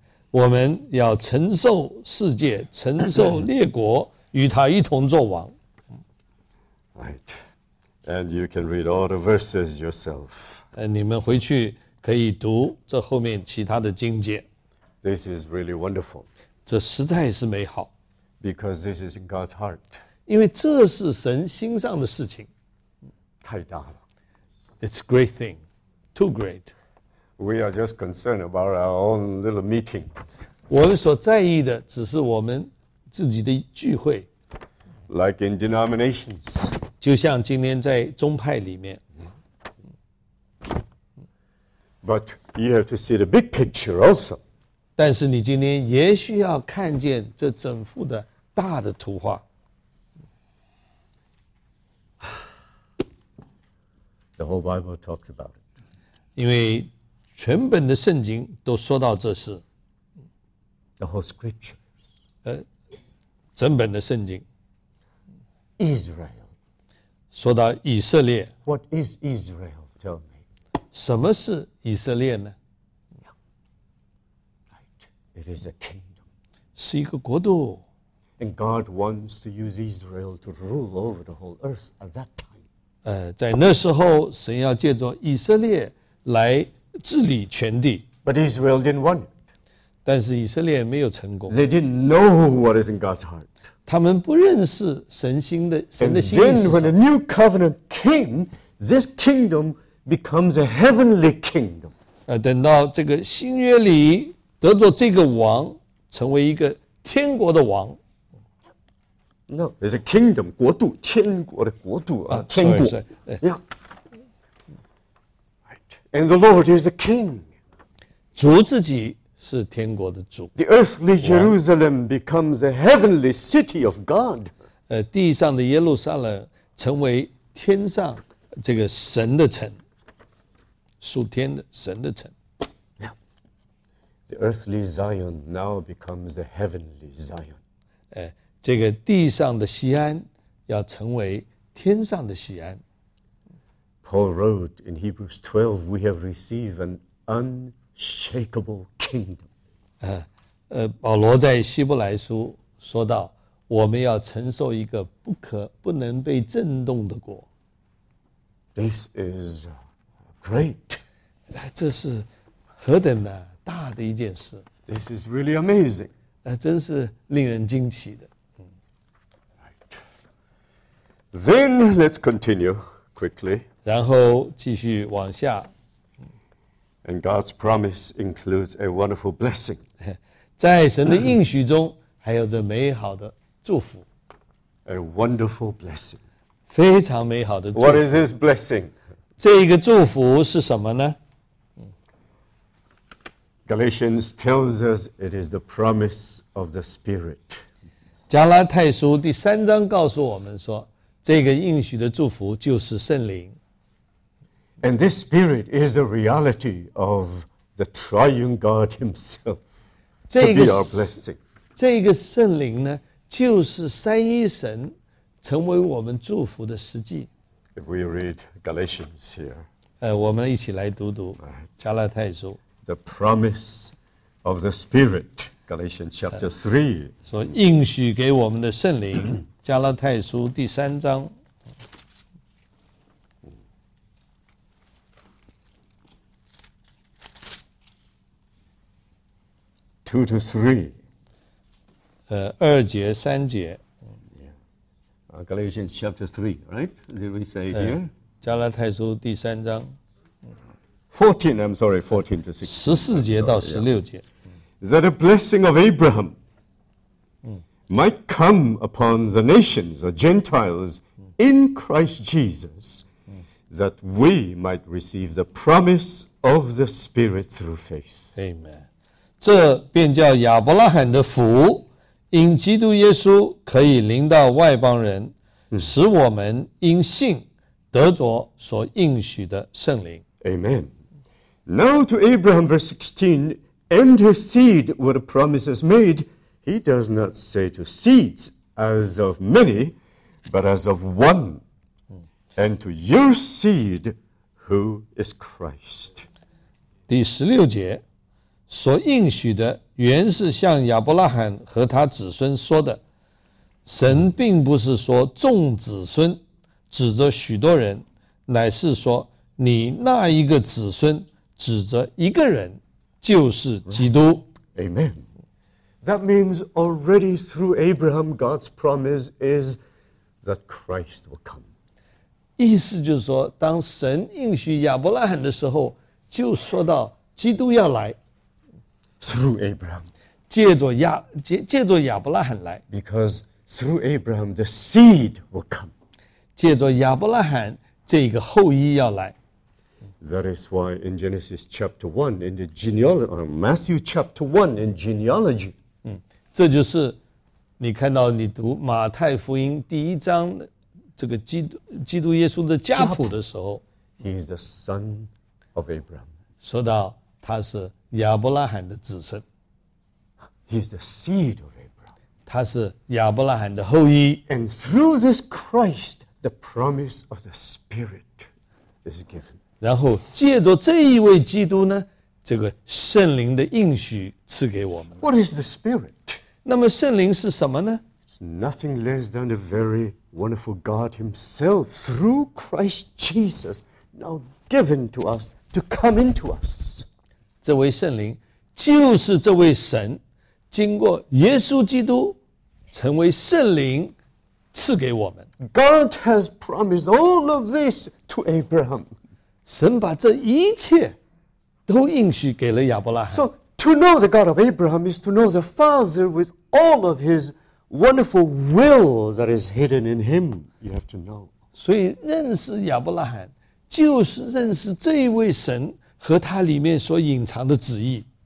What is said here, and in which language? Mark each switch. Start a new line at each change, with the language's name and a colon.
Chinese: 我们要承受世界，承受列国，与他一同作王。
English: Right, and you can read all the verses yourself.
Chinese: 你们回去可以读这后面其他的经节。
English: This is really wonderful.
Chinese: 这实在是美好。
English: Because this is God's heart.
Chinese: 因为这是神心上的事情。太大了。
English: It's a great thing. Too great. We are just concerned about our own little meeting.
Chinese: 我们所在意的只是我们自己的聚会。
English: Like in denominations.
Chinese: 就像今天在宗派里面。
English: But you have to see the big picture also.
Chinese: 但是你今天也需要看见这整幅的大的图画。
English: The whole Bible talks about it.
Chinese: 因为全本的圣经都说到这事。
English: The whole scripture.
Chinese: 整本的圣经。
English: Israel.
Chinese: 说到以色列。
English: What is Israel? Tell me.
Chinese: 什么是以色列呢？
English: Right. It is a kingdom.
Chinese: 是一个国度。
English: And God wants to use Israel to rule over the whole earth at that time.
Chinese: 在那时候，神要借着以色列来治理全地。
English: But Israel didn't want it.
Chinese: 但是以色列没有成功。
English: They didn't know what is in God's heart.
Chinese: 他们不认识神心的神的心意是什么。
English: And then when the new covenant came, this kingdom. Becomes a heavenly kingdom.
Chinese: 等到这个新约里得着这个王，成为一个天国的王。
English: No, it's a kingdom,
Chinese: 国度，天国的国度啊，天国。
English: Yeah. And the Lord is a king.
Chinese: 主自己是天国的主。
English: The earthly Jerusalem becomes a heavenly city of God.
Chinese: 地上的耶路撒冷成为天上这个神的城。属天的神的城。
English: The earthly Zion now becomes the heavenly Zion.
Chinese: 这个地上的锡安要成为天上的锡安。
English: Paul wrote in Hebrews 12, we have received an unshakable kingdom.
Chinese: 保罗在希伯来书说到，我们要承受一个不能被震动的国。
English: This is... Great.
Chinese: 这是何等的大的一件事。
English: This is really amazing.
Chinese: 真是令人惊奇的。
English: Right. Then let's continue quickly.
Chinese: 然后继续往下。
English: And God's promise includes a wonderful blessing.
Chinese: 在神的应许中还有着美好的祝福。
English: A wonderful blessing.
Chinese: 非常美好的祝福。
English: What is this blessing?
Chinese: 这个祝福是什么呢？
English: Galatians tells us it is the promise of the Spirit.
Chinese: 加拉太书第三章告诉我们说，这个应许的祝福就是圣灵。
English: And this Spirit is the reality of the Triune God Himself to be our blessing.
Chinese: 这个圣灵呢，就是三一神成为我们祝福的实际。
English: If we read Galatians here,
Chinese: 我们一起来读读加拉太书。
English: The promise of the Spirit, Galatians chapter 3.
Chinese: 说应许给我们的圣灵，加拉太书第三章。
English: 2 to 3.
Chinese: 二节三节。
English: Galatians chapter 3, right? Did we say here?
Chinese: 加拉太书第三章。
English: 14 to 16.
Chinese: 14节到16节。
English: That a blessing of Abraham might come upon the nations, the Gentiles, in Christ Jesus, that we might receive the promise of the Spirit through faith.
Chinese: Amen. 这便叫亚伯拉罕的福。因基督耶稣可以临到外邦人，使我们因信得着所应许的圣灵。
English: Amen. Now to Abraham, verse 16, and his seed were the promises made. He does not say to seeds as of many, but as of one, and to your seed, who is Christ.
Chinese: 第十六节。所应许的原是向亚伯拉罕和他子孙说的，神并不是说众子孙，指着许多人，乃是说你那一个子孙，指着一个人，就是基督。
English: Amen. That means already through Abraham, God's promise is that Christ will come.
Chinese: 意思就是说，当神应许亚伯拉罕的时候，就说到基督要来。
English: Through Abraham.
Chinese: 借着亚伯拉罕来。
English: Because through Abraham, the seed will come.
Chinese: 借着亚伯拉罕这个后裔要来。
English: That is why in Genesis chapter 1, in the genealogy, or Matthew chapter 1, in genealogy.
Chinese: 这就是你看到你读马太福音第一章这个基督耶稣的家谱的时候。
English: He is the son of Abraham.
Chinese: 说到他是亚伯拉罕的子孙。
English: He is the seed of Abraham.
Chinese: 他是亚伯拉罕的后裔。
English: And through this Christ, the promise of the Spirit is given.
Chinese: 然后借着这一位基督呢，这个圣灵的应许赐给我们。
English: What is the Spirit?
Chinese: 那么圣灵是什么呢？
English: It's nothing less than the very wonderful God Himself through Christ Jesus now given to us to come into us.
Chinese: 这位圣灵就是这位神，经过耶稣基督成为圣灵赐给我们。
English: God has promised all of this to Abraham.
Chinese: 神把这一切都应许给了亚伯拉罕。
English: So to know the God of Abraham is to know the Father with all of His wonderful will that is hidden in Him. You have to know.
Chinese: 所以认识亚伯拉罕就是认识这一位神和他里面所隐藏的旨意。